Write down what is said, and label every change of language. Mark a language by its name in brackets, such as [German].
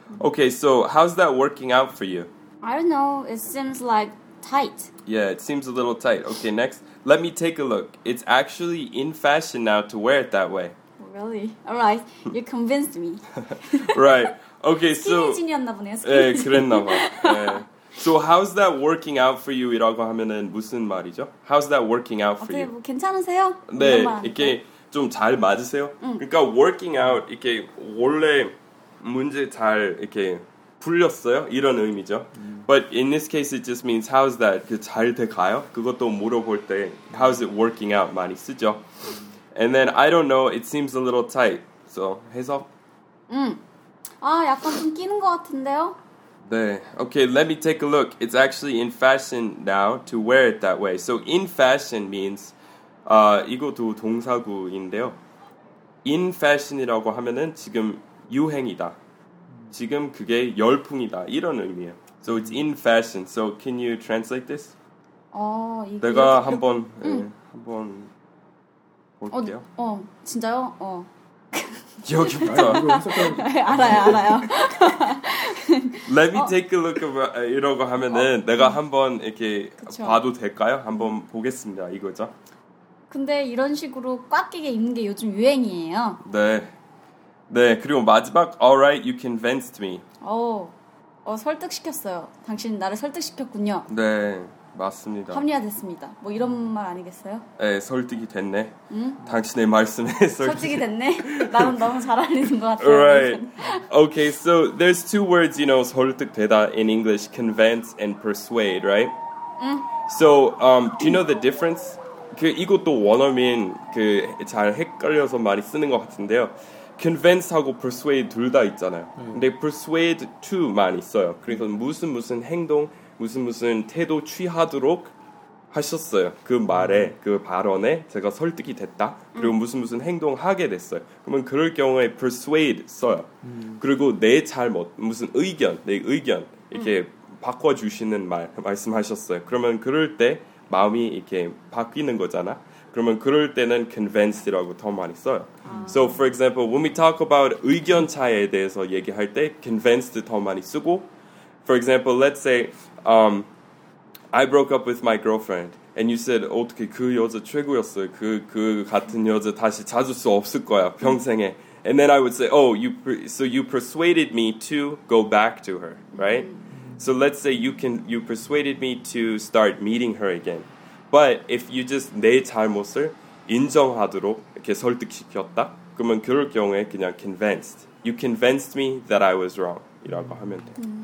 [English] Okay, so how's that working out for you? I don't know. It seems like tight. Yeah, it seems a little tight. Okay, next. Let me take a look. It's actually in fashion now to wear it that way. Really? All right. You convinced me. Right. Okay, so... [Korean] 스키니진이었나 보네요. 네, 그랬나 봐. 네. [English] So how's that working out for you? [Korean] 이라고 하면은 무슨 말이죠? [English] How's that working out for [Korean] 어떻게, 뭐 괜찮으세요? 네, 이렇게 좀 잘 맞으세요? 그러니까 [English] working out, [Korean] 이렇게 원래 문제 잘 이렇게 풀렸어요? 이런 의미죠. [English] But in this case, it just means how's that? [Korean] 그 잘 돼가요? 그것도 물어볼 때 [English] how's it working out? [Korean] 많이 쓰죠. [English] And then I don't know, it seems a little tight. [Korean] So 해석? 아, 약간 좀 끼는 것 같은데요? [English] 네. Okay, let me take a look. It's actually in fashion now to wear it that way. So, in fashion means, [Korean] 이것도 동사구인데요. In fashion이라고 하면은 지금 유행이다. 지금 그게 열풍이다. 이런 의미예요. [English] So, it's in fashion. So, can you translate this? [Korean] 내가 한번, 한번 볼게요. 진짜요? 여기부터 알아요 알아요 [English] Let me take a look about [Korean] 이러고 하면은 내가 한번 이렇게 그쵸. 봐도 될까요? 한번 보겠습니다 이거죠 근데 이런 식으로 꽉 끼게 입는 게 요즘 유행이에요 네 그리고 마지막 [English] Alright, you convinced me [Korean] 설득시켰어요 당신은 나를 설득시켰군요 네 맞습니다. 합리화됐습니다. 뭐 이런 말 아니겠어요? 네, 설득이 됐네. 응? 당신의 말씀에 설득이 됐네. 나는 너무 잘 알리는 것 같아요. [English] Right. Okay, so there's two words, you know, [Korean] 설득되다 [English] in English, convince and persuade, right? [Korean] 응. [English] So, do you know the difference? [Korean] 그 이것도 원어민 그 잘 헷갈려서 많이 쓰는 것 같은데요. Convince하고 persuade 둘 다 있잖아요. 근데 persuade to 많이 써요. 그래서 무슨 무슨 행동 무슨 무슨 태도 취하도록 하셨어요. 그 말에, 그 발언에 제가 설득이 됐다. 그리고 무슨 무슨 행동하게 됐어요. 그러면 그럴 경우에 persuade 써요. 그리고 내 잘못, 무슨 의견, 내 의견 이렇게 바꿔주시는 말, 말씀하셨어요. 그러면 그럴 때 마음이 이렇게 바뀌는 거잖아. 그러면 그럴 때는 convinced라고 더 많이 써요. [English] So for example, when we talk about [Korean] 의견 차이에 대해서 얘기할 때 convinced 더 많이 쓰고 [English] For example, let's say I broke up with my girlfriend and you said [Korean] 어떻게 그 여자 최고였어요. 그 같은 여자 다시 찾을 수 없을 거야. 평생에. [English] And then I would say, "Oh, you persuaded me to go back to her, right?" So let's say you persuaded me to start meeting her again. But if you just [Korean] 내 잘못을 인정하도록 이렇게 설득시켰다. 그러면 그럴 경우에 그냥 convinced. [English] You convinced me that I was wrong. [Korean] 이라고 하면 돼.